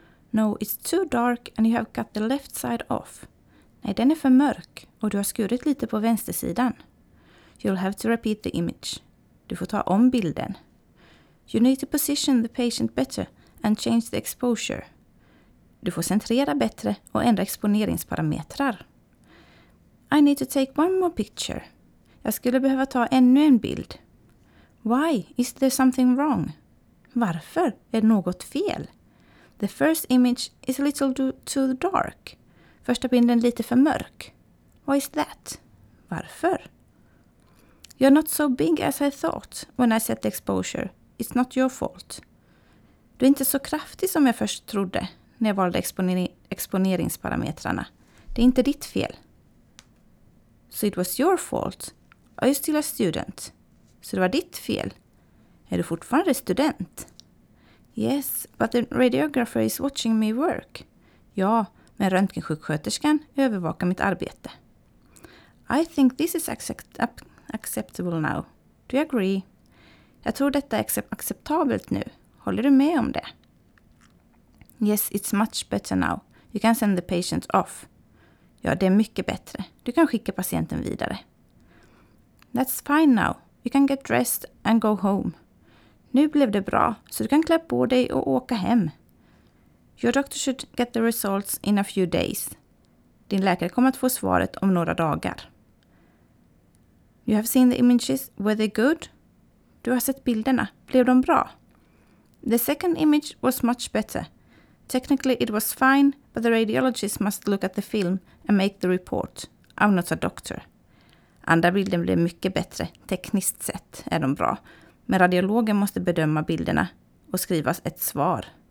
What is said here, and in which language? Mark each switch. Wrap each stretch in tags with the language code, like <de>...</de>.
<en>No, it's too dark and you have cut the left side off.</en> <sv>Nej, den är för mörk och du har skurit lite på vänstersidan.</sv> <en>You'll have to repeat the image.</en> <sv>Du får ta om bilden.</sv> <en>You need to position the patient better and change the exposure.</en> <sv>Du får centrera bättre och ändra exponeringsparametrar.</sv> <en>I need to take one more picture.</en> <sv>Jag skulle behöva ta ännu en bild.</sv> <en>Why? Is there something wrong?</en> <sv>Varför är något fel?</sv> <en>The first image is a little too dark.</en> <sv>Första bilden lite för mörk.</sv> <en>Why is that?</en> <sv>Varför?</sv> <en>You're not so big as I thought when I set the exposure. It's not your fault.</en> <sv>Du är inte så kraftig som jag först trodde när jag valde exponeringsparametrarna. Det är inte ditt fel.</sv> <en>So it was your fault. Are you still a student?</en> <sv>Så det var ditt fel. Är du fortfarande student?</sv> <en>Yes, but the radiographer is watching me work.</en> <sv>Ja, men röntgensjuksköterskan övervakar mitt arbete.</sv> <en>I think this is acceptable now. Do you agree?</en> <sv>Jag tror detta är acceptabelt nu. Håller du med om det?</sv> <en>Yes, it's much better now. You can send the patient off.</en> <sv>Ja, det är mycket bättre. Du kan skicka patienten vidare.</sv> <en>That's fine now. You can get dressed and go home.</en> <sv>Nu blev det bra, så du kan klä på dig och åka hem.</sv> <en>Your doctor should get the results in a few days.</en> <sv>Din läkare kommer att få svaret om några dagar.</sv> <en>You have seen the images. Were they good?</en> <sv>Du har sett bilderna. Blev de bra?</sv> <en>The second image was much better. Technically it was fine, but the radiologist must look at the film and make the report. I'm not a doctor.</en> <sv>Andra bilden blev mycket bättre. Tekniskt sett är de bra. Men radiologen måste bedöma bilderna och skriva ett svar.</sv>